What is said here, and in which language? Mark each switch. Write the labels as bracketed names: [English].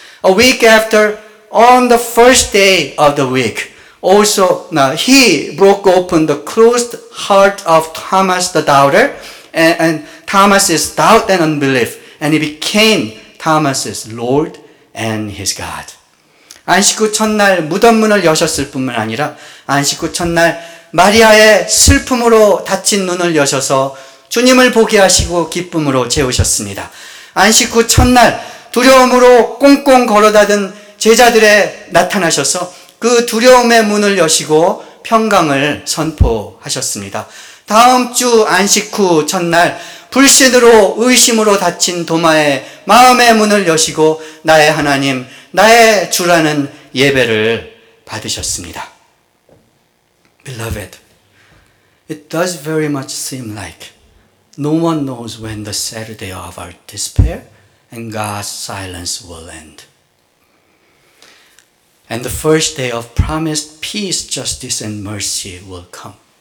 [English] A week after, on the first day of the week, also now he broke open the closed heart of Thomas the doubter and Thomas's doubt and unbelief, and he became Thomas's Lord and his God. [Korean] 안식 후 첫날 무덤 문을 여셨을 뿐만 아니라 안식 후 첫날 마리아의 슬픔으로 닫힌 눈을 여셔서 주님을 보게 하시고 기쁨으로 채우셨습니다. 안식 후 첫날 두려움으로 꽁꽁 걸어 닫은 제자들에 나타나셔서 그 두려움의 문을 여시고 평강을 선포하셨습니다. 다음 주 안식 후 첫날 불신으로 의심으로 닫힌 도마의 마음의 문을 여시고 나의 하나님 나의 주라는 예배를 받으셨습니다. [English] Beloved, it does very much seem like no one knows when the Saturday of our despair and God's silence will end. And the first day of promised peace, justice, and mercy will come.